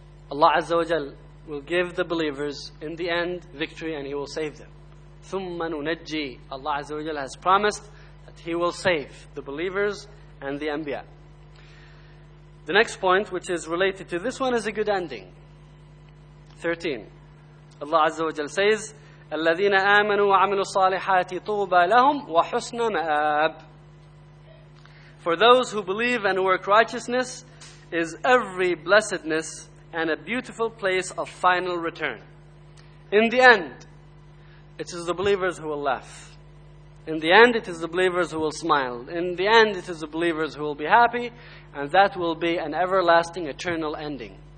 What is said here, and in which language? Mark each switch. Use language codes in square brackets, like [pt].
[en] Allah Azza wa Jal will give the believers, in the end, victory, and He will save them. [ar] ثُمَّ نُنَجِّي. [en] Allah Azza wa Jal has promised that He will save the believers and the Anbiya. The next point, which is related to this one, is a good ending. 13. Allah Azza wa Jalla says, [ar] الَّذِينَ آمَنُوا وَعَمِلُوا الصَّالِحَاتِ طُوبَى لَهُمْ وَحُسْنَ مَآبٍ. [en] For those who believe and work righteousness is every blessedness and a beautiful place of final return. In the end, it is the believers who will laugh. In the end, it is the believers who will smile. In the end, it is the believers who will be happy, and that will be an everlasting, eternal ending.